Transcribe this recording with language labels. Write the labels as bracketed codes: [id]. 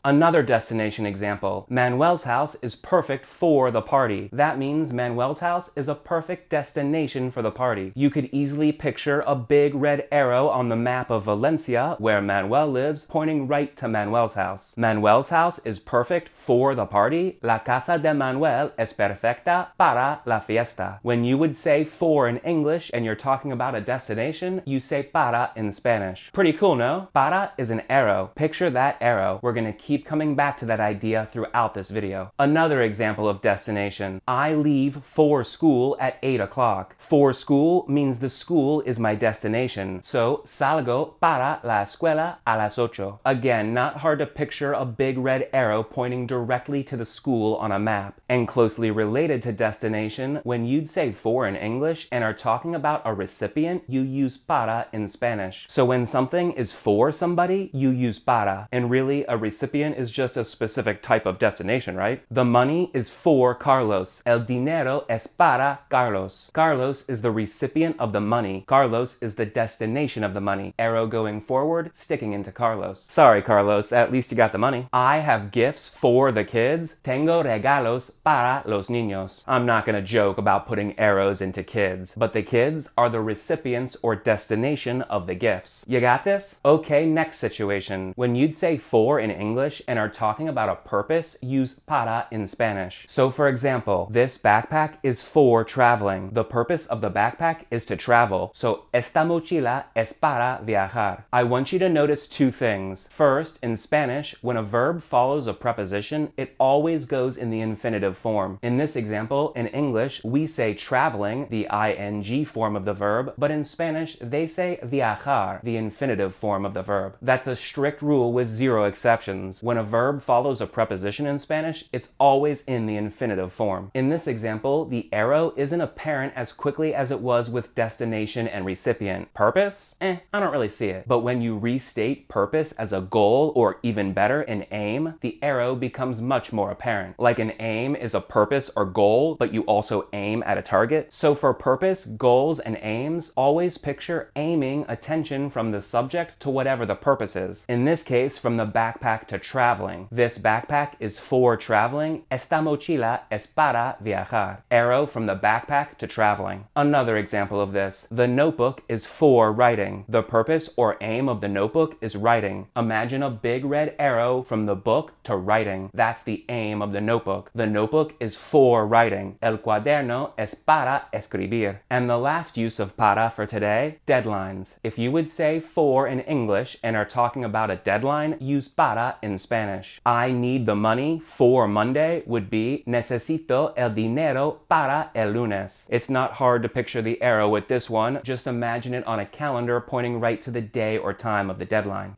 [en] Another destination example, Manuel's house is perfect for the party. That means Manuel's house is a perfect destination for the party. You could easily picture a big red arrow on the map of Valencia, where Manuel lives, pointing right to Manuel's house. Manuel's house is perfect for the party. [es] La casa de Manuel es perfecta para la fiesta. [en] When you would say for in English and you're talking about a destination, you say para in Spanish. Pretty cool, no? Para is an arrow. Picture that arrow. We're gonna keep coming back to that idea throughout this video. Another example of destination. I leave for school at 8 o'clock. For school means the school is my destination. So [es] salgo para la escuela a las 8. [en] Again, not hard to picture a big red arrow pointing directly to the school on a map. And closely related to destination, when you'd say for in English and are talking about a recipient, you use para in Spanish. So when something is for somebody, you use para. And really, a recipient is just a specific type of destination, right? The money is for Carlos. [es] El dinero es para Carlos. [en] Carlos is the recipient of the money. Carlos is the destination of the money. Arrow going forward, sticking into Carlos. Sorry, Carlos, at least you got the money. I have gifts for the kids. [es] Tengo regalos para los niños. [en] I'm not gonna joke about putting arrows into kids, but the kids are the recipients or destination of the gifts. You got this? Okay, next situation. When you'd say for in English and are talking about a purpose, use para in Spanish. So for example, this backpack is for traveling. The purpose of the backpack is to travel. [es] So esta mochila es para viajar. [en] I want you to notice two things. First, in Spanish, when a verb follows a preposition, it always goes in the infinitive form. In this example, in English, we say traveling, the ing form of the verb, but in Spanish, they say viajar, the infinitive form of the verb. That's a strict rule with zero exceptions. When a verb follows a preposition in Spanish, it's always in the infinitive form. In this example, the arrow isn't apparent as quickly as it was with destination and recipient. Purpose? I don't really see it. But when you restate purpose as a goal or even better, an aim, the arrow becomes much more apparent. Like an aim is a purpose or goal, but you also aim at a target. So for purpose, goals, and aims, always picture aiming attention from the subject to whatever the purpose is. In this case, from the backpack to traveling. This backpack is for traveling. [es] Esta mochila es para viajar. [en] Arrow from the backpack to traveling. Another example of this. The notebook is for writing. The purpose or aim of the notebook is writing. Imagine a big red arrow from the book to writing. That's the aim of the notebook. The notebook is for writing. [es] El cuaderno es para escribir. [en] And the last use of para for today, deadlines. If you would say for in English and are talking about a deadline, use para in Spanish. I need the money for Monday would be [es] necesito el dinero para el lunes. [en] It's not hard to picture the arrow with this one. Just imagine it on a calendar pointing right to the day or time of the deadline.